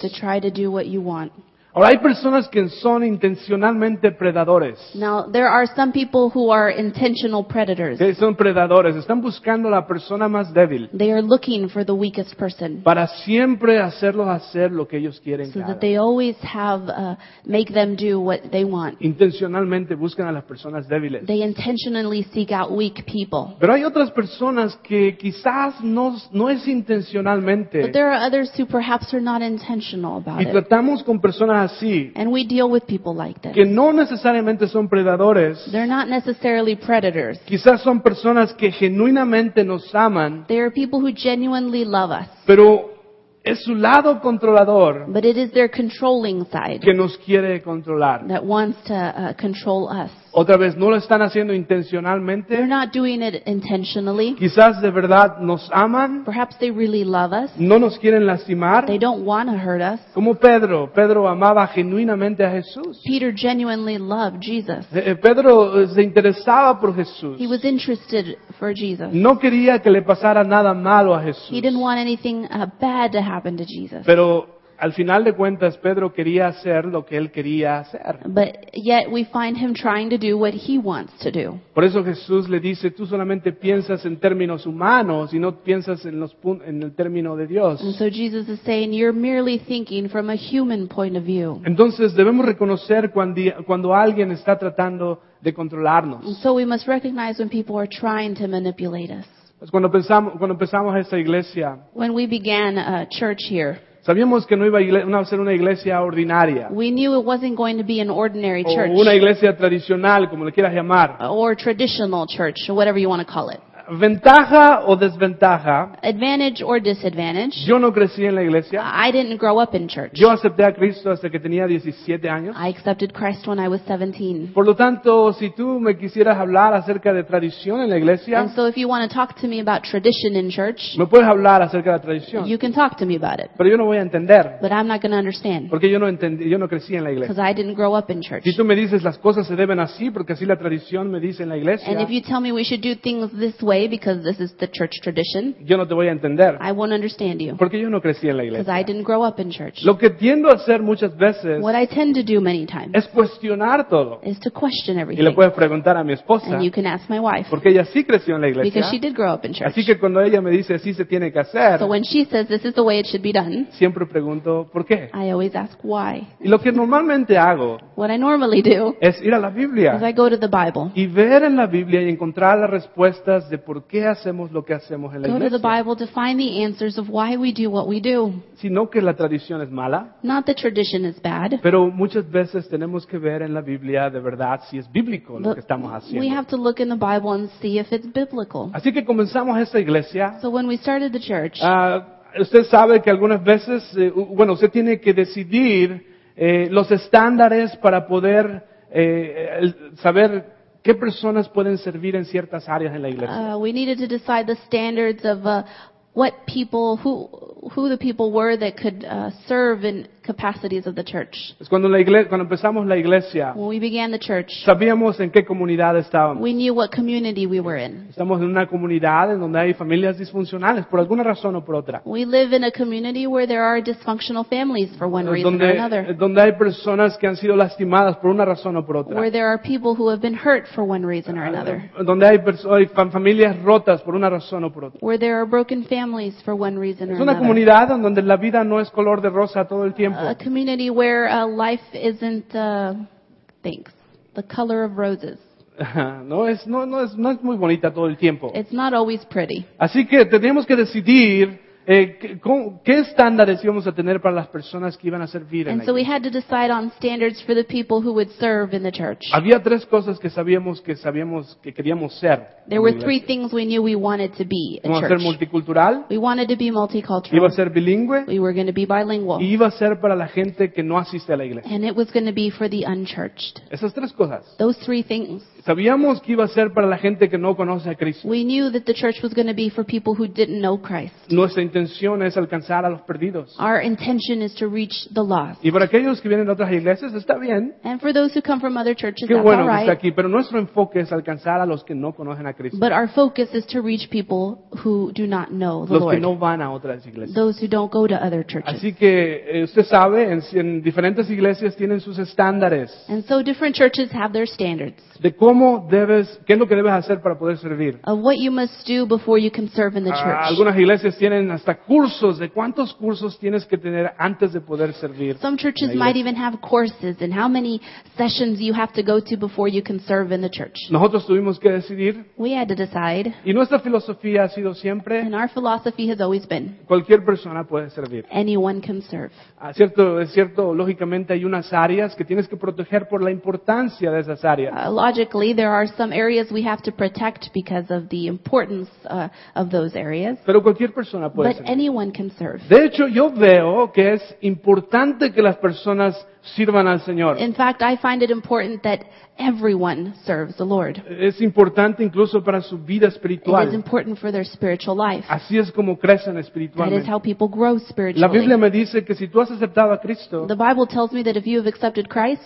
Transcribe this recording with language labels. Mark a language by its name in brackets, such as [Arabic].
[English] To try to do what you want. [Spanish] Ahora hay personas que son intencionalmente predadores. [English] Now there are some people who are intentional predators. [Spanish] Que son predadores, están buscando la persona más débil. [English] They are looking for the weakest person. [Spanish] Para siempre hacerlos hacer lo que ellos quieren. [English] So [Spanish] cada. [English] That they always have make them do what they want. [Spanish] Intencionalmente buscan a las personas débiles. [English] They intentionally seek out weak people. [Spanish] Pero hay otras personas que quizás no es intencionalmente. [English] But there are others who perhaps are not intentional about it. [Spanish] Y tratamos con personas así, [English] and we deal with people like this. [Spanish] Que no necesariamente son predadores. [English] They're not necessarily predators. [Spanish] Quizás son personas que genuinamente nos aman. [English] They are people who genuinely love us. [Spanish] Pero es su lado controlador. [English] But it is their controlling side. [Spanish] Que nos quiere controlar. [English] That wants to control us. [Spanish] Otra vez, no lo están haciendo intencionalmente. [English] They're not doing it intentionally. [Spanish] Quizás de verdad nos aman. [English] Perhaps they really love us. [Spanish] No nos quieren lastimar. [English] They don't want to hurt us. [Spanish] Como Pedro. Pedro amaba genuinamente a Jesús. [English] Peter genuinely loved Jesus. [Spanish] Pedro se interesaba por Jesús. [English] He was interested for Jesus. [Spanish] No quería que le pasara nada malo a Jesús. [English] He didn't want anything bad to happen to Jesus. [Spanish] Pero al final de cuentas, Pedro quería hacer lo que él quería hacer. [English] But yet we find him trying to do what he wants to do. [Spanish] Por eso Jesús le dice, tú solamente piensas en términos humanos y no piensas en el término de Dios. [English] And so Jesus is saying, you're merely thinking from a human point of view. [Spanish] Entonces debemos reconocer cuando alguien está tratando de controlarnos. [English] And so we must recognize when people are trying to manipulate us. [Spanish] Pues cuando empezamos esta iglesia, [English] when we began a church here, [Spanish] sabíamos que no iba a ser una iglesia ordinaria. [English] We knew it wasn't going to be an ordinary church. [Spanish] O una iglesia tradicional, como le quieras llamar. [English] Or traditional church, or whatever you want to call it. [Spanish] Ventaja o desventaja. [English] Advantage or disadvantage. [Spanish] Yo no crecí en la iglesia. [English] I didn't grow up in church. [Spanish] Yo acepté a Cristo hasta que tenía 17 años. [English] I accepted Christ when I was 17. [Spanish] Por lo tanto, si tú me quisieras hablar acerca de tradición en la iglesia. [English] And so if you want to talk to me about tradition in church. [Spanish] Me puedes hablar acerca de la tradición. [English] You can talk to me about it. [Spanish] Pero yo no voy a entender. [English] But I'm not going to understand. [Spanish] Porque yo no crecí en la iglesia. [English] Because I didn't grow up in church. [Spanish] Si tú me dices las cosas se deben así porque así la tradición me dice en la iglesia. [English] And if you tell me we should do things this way. Because this is the church tradition. [Spanish] Yo no te voy a entender. [English] I won't understand you. [Spanish] Porque yo no crecí en la iglesia. [English] Because I didn't grow up in church. [Spanish] Lo que tiendo a hacer muchas veces. [English] What I tend to do many times. [Spanish] Es cuestionar todo. [English] Is to question everything. [Spanish] Y le puedes preguntar a mi esposa. [English] And you can ask my wife. [Spanish] Porque ella sí creció en la iglesia. [English] Because she did grow up in church. [Spanish] Así que cuando ella me dice así se tiene que hacer. [English] So when she says this is the way it should be done. [Spanish] Siempre pregunto por qué. [English] I always ask why. [Spanish] Y lo que normalmente hago. [English] What I normally do. [Spanish] Es ir a la Biblia. [English] Is I go to the Bible. [Spanish] Y ver en la Biblia y encontrar las respuestas de ¿por qué hacemos lo que hacemos en la iglesia? [English] Go to the Bible to find the answers of why we do what we do. [Spanish] Sino que la tradición es mala. [English] Not the tradition is bad. [Spanish] Pero muchas veces tenemos que ver en la Biblia de verdad si es bíblico lo que estamos haciendo. [English] We have to look in the Bible and see if it's biblical. [Spanish] Así que comenzamos esta iglesia. [English] So when we started the church. [Spanish] Usted sabe que algunas veces, bueno, usted tiene que decidir los estándares para poder saber qué personas pueden servir en ciertas áreas en la iglesia. [English] We needed to decide the standards of what people, who the people were that could serve in capacities of the church. [Spanish] Es cuando la iglesia, cuando empezamos la iglesia, [English] when we began the church, [Spanish] sabíamos en qué comunidad estábamos. [English] We knew what community we were in. [Spanish] Estamos en una comunidad en donde hay familias disfuncionales por alguna razón o por otra. [English] We live in a community where there are dysfunctional families for one reason or another. [Spanish] Donde hay personas que han sido lastimadas por una razón o por otra. [English] Where there are people who have been hurt for one reason or another. [Spanish] Donde hay familias rotas por una razón o por otra. [English] Where there are broken families for one reason or another. [Spanish] Es una comunidad en donde la vida no es color de rosa todo el tiempo. [English] A community where life isn't thanks, the color of roses. [Spanish] No es muy bonita todo el tiempo. [English] It's not always pretty. [Spanish] Así que tenemos que decidir ¿qué estándares íbamos a tener para las personas que iban a servir en la iglesia? [English] So decide on standards for the people who would serve in the church. [Spanish] Había tres cosas que sabíamos que queríamos ser. [English] There were three things we knew we wanted to be a church. [Spanish] Iba a ser multicultural. [English] We wanted to be multicultural. [Spanish] Iba a ser bilingüe. [English] We were going to be bilingual. [Spanish] Y iba a ser para la gente que no asiste a la iglesia. [English] And it was going to be for the unchurched. [Spanish] Esas tres cosas. [English] Those three things. [Spanish] Sabíamos que iba a ser para la gente que no conoce a Cristo. [English] We knew that the church was going to be for people who didn't know Christ. [Spanish] Nuestra intención es alcanzar a los perdidos. [English] Our intention is to reach the lost. [Spanish] Y para aquellos que vienen de otras iglesias, está bien. [English] And for those who come from other churches, [Spanish] qué bueno [English] that's all right. [Spanish] Que aquí. Pero nuestro enfoque es alcanzar a los que no conocen a Cristo. [English] But our focus is to reach people who do not know the Lord. [Spanish] Los que no van a otras iglesias. [English] Those who don't go to other churches. [Spanish] Así que usted sabe, en diferentes iglesias tienen sus estándares. [English] And so different churches have their standards. [Spanish] De cómo debes, qué es lo que debes hacer para poder servir. [English] Of what you must do before you can serve in the church. [Spanish] Algunas iglesias tienen hasta cursos. ¿De cuántos cursos tienes que tener antes de poder servir? [English] Some churches might even have courses and how many sessions you have to go to before you can serve in the church. [Spanish] Nosotros tuvimos que decidir. [English] We had to decide. [Spanish] Y nuestra filosofía ha sido siempre. [English] And our philosophy has always been. [Spanish] Cualquier persona puede servir. [English] Anyone can serve. [Spanish] Cierto, es cierto, lógicamente hay unas áreas que tienes que proteger por la importancia de esas áreas. [English] Logically, there are some areas we have to protect because of the importance of those areas. [Spanish] Pero cualquier persona puede [English] But anyone can serve. [Spanish] De hecho, yo veo que es importante que las personas sirvan al Señor. [English] In fact, I find it important that everyone serves the Lord. [Spanish] Es importante incluso para su vida espiritual. [English] It is important for their spiritual life. [Spanish] Así es como crecen espiritualmente. [English] That is how people grow spiritually. [Spanish] La Biblia me dice que si tú has aceptado a Cristo, [English] the Bible tells me that if you have accepted Christ,